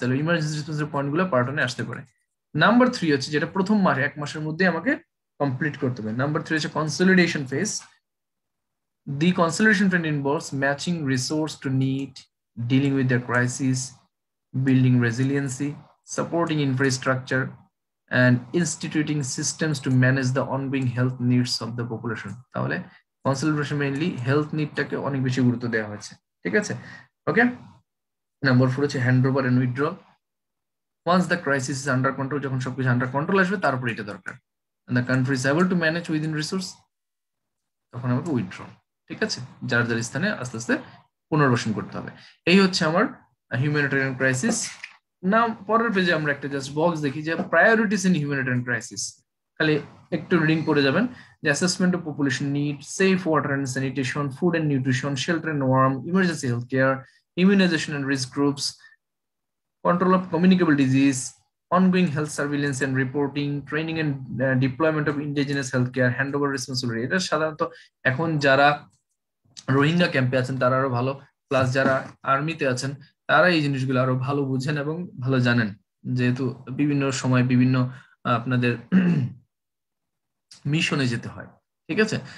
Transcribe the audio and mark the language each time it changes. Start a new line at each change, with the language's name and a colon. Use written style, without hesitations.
Bangla: তাহলে emergency রেসপন্সের point গুলো পার্টনে আসতে পারে। নাম্বার থ্রি হচ্ছে যেটা প্রথম মাসে এক মাসের মধ্যে আমাকে কমপ্লিট করতে হবে, নাম্বার থ্রি হচ্ছে consolidation phase,
English: The consolidation phase involves matching resource to need, dealing with the crisis, building resiliency, supporting infrastructure, and instituting systems to manage the ongoing health needs of the population.
Bangla: তাহলে consultation mainly health need টাকে অনেক বেশি গুরুত্ব দেওয়া হয়েছে, ঠিক আছে?
English: Okay. Number four
Bangla: হচ্ছে
English: handover and withdrawal. Once the crisis is under control,
Bangla: যখন সবকিছু
English: under control
Bangla: আসবে, তারপর এটা দরকার.
English: And the country is able to manage within resource,
Bangla: তখন আমাকে
English: withdrawal,
Bangla: ঠিক আছে? যার যার স্থানে আস্তে আস্তে পুনর্বাসন করতে হবে. এই হচ্ছে আমার humanitarian crisis.
English: Now,
Bangla: পরের পেজে আমরা একটা
English: just box
Bangla: দেখি যে
English: priorities in humanitarian crisis.
Bangla: খালি একটু reading করে যাবেন.
English: The assessment of population need, safe water and sanitation, food and nutrition, shelter and warm, emergency healthcare, immunization and risk groups, control of communicable disease, ongoing health surveillance and reporting, training and deployment of indigenous healthcare, handover responsibility.
Bangla: এটা সাধারণত এখন যারা রোহিঙ্গা ক্যাম্পে আছেন তারা আরো ভালো, plus যারা আর্মিতে আছেন তারা এই জিনিসগুলো আরো ভালো বুঝেন এবং ভালো জানেন, যেহেতু বিভিন্ন সময় বিভিন্ন আপনাদের মিশনে যেতে হয়, ঠিক আছে?